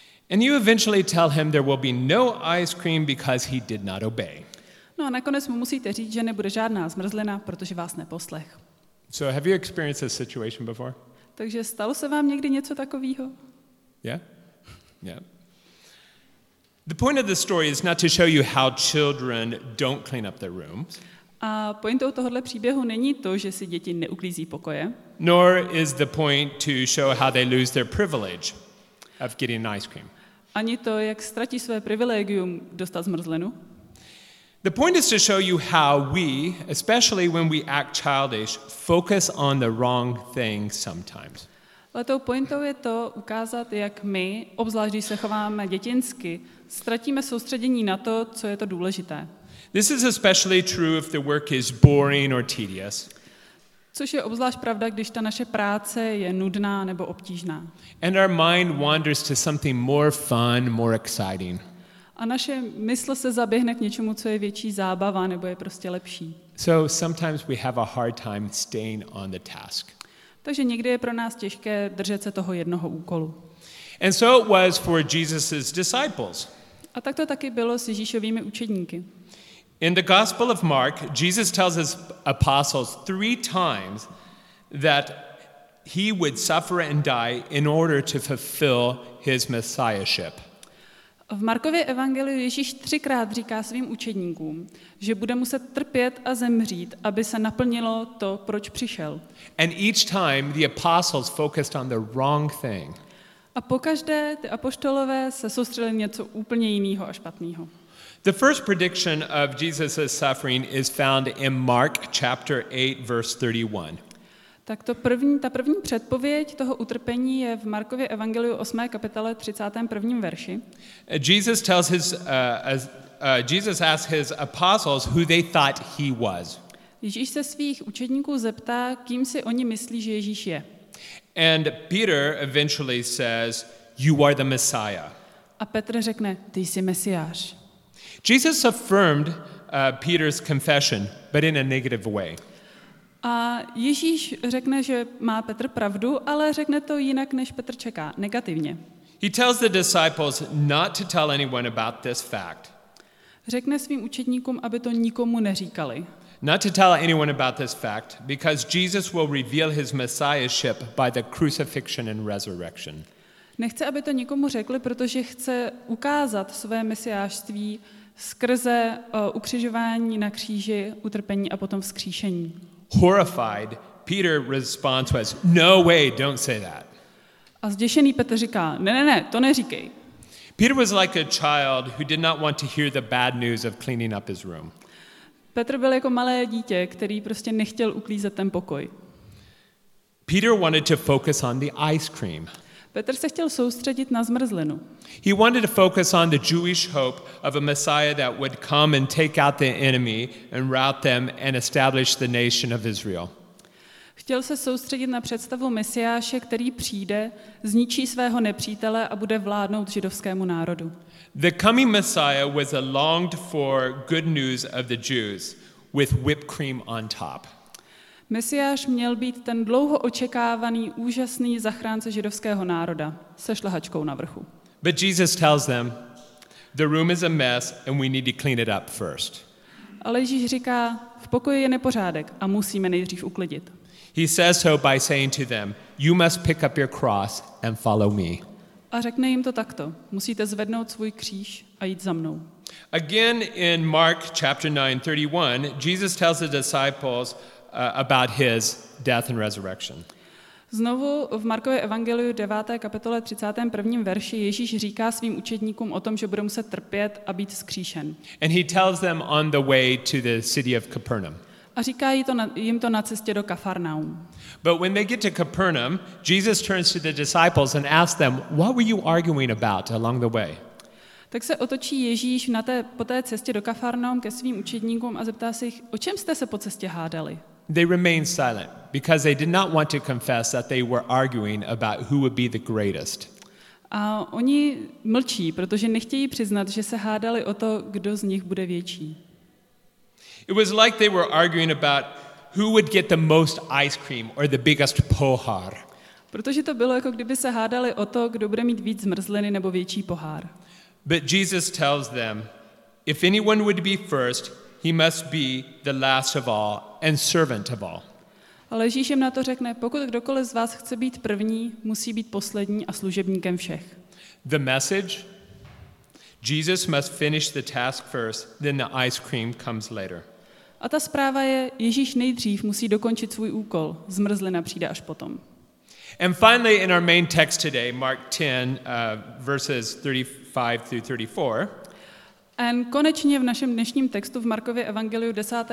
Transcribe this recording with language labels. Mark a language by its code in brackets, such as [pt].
[en] And you eventually tell him there will be no ice cream because he did not obey. [cs] No a nakonec mu musíte říct, že nebude žádná zmrzlina, protože vás neposlech. [en] So have you experienced this situation before? [cs] Takže stalo se vám někdy něco takového? [en] Yeah. Yeah. The point of the story is not to show you how children don't clean up their rooms. [cs] A pointou tohohle příběhu není to, že si děti neuklízí pokoje. [en] Nor is the point to show how they lose their privilege of getting ice cream. [cs] Ani to, jak ztratí své privilegium dostat zmrzlinu. [en] The point is to show you how we, especially when we act childish, focus on the wrong thing sometimes. [cs] Ale tou pointou je to ukázat, jak my, obzvlášť když se chováme dětinsky, ztratíme soustředění na to, co je to důležité. [en] This is especially true if the work is boring or tedious. [cs] Což je obzvlášť pravda, když ta naše práce je nudná nebo obtížná. [en] And our mind wanders to something more fun, more exciting. [cs] A naše mysl se zaběhne k něčemu, co je větší zábava nebo je prostě lepší. [en] So sometimes we have a hard time staying on the task. [cs] Takže někdy je pro nás těžké držet se toho jednoho úkolu. [en] And so it was for Jesus's disciples. [cs] A tak to taky bylo s Ježíšovými učedníky. [en] In the Gospel of Mark, Jesus tells his apostles three times that he would suffer and die in order to fulfill his messiahship. [cs] V Markově evangeliu Ježíš třikrát říká svým učedníkům, že bude muset trpět a zemřít, aby se naplnilo to, proč přišel. [en] And each time the apostles focused on the wrong thing. [cs] A pokaždé ty apoštolové se soustředili něco úplně jiného a špatného. [en] The first prediction of Jesus' suffering is found in Mark chapter 8 verse 31. [cs] Tak to první, ta první předpověď toho utrpení je v Markově evangeliu 8. kapitole 31. verši. [en] Jesus tells his Jesus asks his apostles who they thought he was. [cs] Ježíš se svých učedníků zeptá, kým si oni myslí, že Ježíš je. [en] And Peter eventually says, "You are the Messiah." [cs] A Petr řekne, ty jsi mesiář. [en] Jesus affirmed Peter's confession, but in a negative way. [cs] A Ježíš řekne, že má Petr pravdu, ale řekne to jinak, než Petr čeká, negativně. [en] He tells the disciples not to tell anyone about this fact. [cs] Řekne svým učedníkům, aby to nikomu neříkali. [en] Not to tell anyone about this fact, because Jesus will reveal his messiahship by the crucifixion and resurrection. [cs] Nechce, aby to nikomu řekli, protože chce ukázat své mesiářství skrze ukřižování na kříži, utrpení a potom vzkříšení. [en] Horrified, Peter responds with, "No way, don't say that." [cs] A zděšený Petr říká, ne, ne, ne, to neříkej. [en] Peter was like a child who did not want to hear the bad news of cleaning up his room. [cs] Petr byl jako malé dítě, který prostě nechtěl uklízet ten pokoj. [en] Peter wanted to focus on the ice cream. [cs] Petr se chtěl soustředit na zmrzlinu. [en] He wanted to focus on the Jewish hope of a Messiah that would come and take out the enemy and rout them and establish the nation of Israel. [cs] Chtěl se soustředit na představu mesiáše, který přijde, zničí svého nepřítele a bude vládnout židovskému národu. [en] The coming Messiah was a longed for good news of the Jews with whipped cream on top. [cs] Mesiáš měl být ten dlouho očekávaný, úžasný zachránce židovského národa se šlehačkou na vrchu. [en] But Jesus tells them, the room is a mess and we need to clean it up first. [cs] Ale Ježíš říká, v pokoji je nepořádek a musíme nejdřív uklidit. [en] He says so by saying to them, you must pick up your cross and follow me. [cs] A řekne jim to takto, musíte zvednout svůj kříž a jít za mnou. [en] Again in Mark chapter 9:31, Jesus tells the disciples about his death and resurrection. [cs] Znovu v Markově evangeliu 9. kapitole 31. verši Ježíš říká svým učedníkům o tom, že bude muset trpět a být vzkříšen. [en] And he tells them on the way to the city of Capernaum. [cs] A říká jim to na cestě do Kafarnaum. [en] But when they get to Capernaum, Jesus turns to the disciples and asks them, "What were you arguing about along the way?" [cs] Tak se otočí Ježíš po té cestě do Kafarnaum ke svým učedníkům a zeptá se jich, o čem jste se po cestě hádali? [en] They remained silent because they did not want to confess that they were arguing about who would be the greatest. [cs] A oni mlčí, protože nechtějí přiznat, že se hádali o to, kdo z nich bude větší. [en] It was like they were arguing about who would get the most ice cream or the biggest pohár. [cs] Protože to bylo jako kdyby se hádali o to, kdo bude mít víc zmrzliny nebo větší pohár. [en] But Jesus tells them, if anyone would be first, he must be the last of all and servant of all. [cs] Ale Ježíš jim na to řekne, pokud kdokoliv z vás chce být první, musí být poslední a služebníkem všech. [en] The message? Jesus must finish the task first, then the ice cream comes later. [cs] A ta zpráva je, Ježíš nejdřív musí dokončit svůj úkol, zmrzlina přijde až potom. [en] And finally in our main text today, Mark 10, verses 35 through 34. [cs] A konečně v našem dnešním textu v Markově evangeliu 10.